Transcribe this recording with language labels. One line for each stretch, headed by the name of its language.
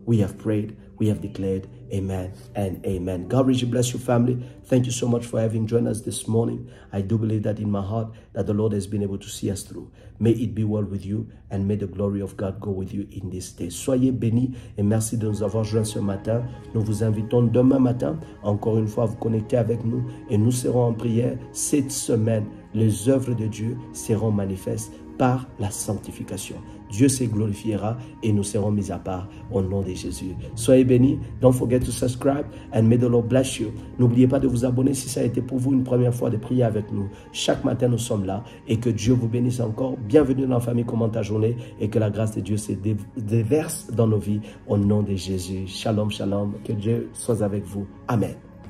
English: We have prayed, we have declared, amen and amen. God richly bless you, family. Thank you so much for having joined us this morning. I do believe that in my heart that the Lord has been able to see us through. May it be well with you and may the glory of God go with you in this day.
French: Soyez bénis et merci de nous avoir joints ce matin. Nous vous invitons demain matin, encore une fois, à vous connecter avec nous et nous serons en prière cette semaine. Les œuvres de Dieu seront manifestes par la sanctification. Dieu se glorifiera et nous serons mis à part au nom de Jésus. Soyez bénis.
English: Don't forget to subscribe and may the Lord bless you.
French: N'oubliez pas de vous abonner si ça a été pour vous une première fois de prier avec nous. Chaque matin, nous sommes là et que Dieu vous bénisse encore. Bienvenue dans la famille, comment ta journée et que la grâce de Dieu se déverse dans nos vies au nom de Jésus. Shalom, shalom. Que Dieu soit avec vous. Amen.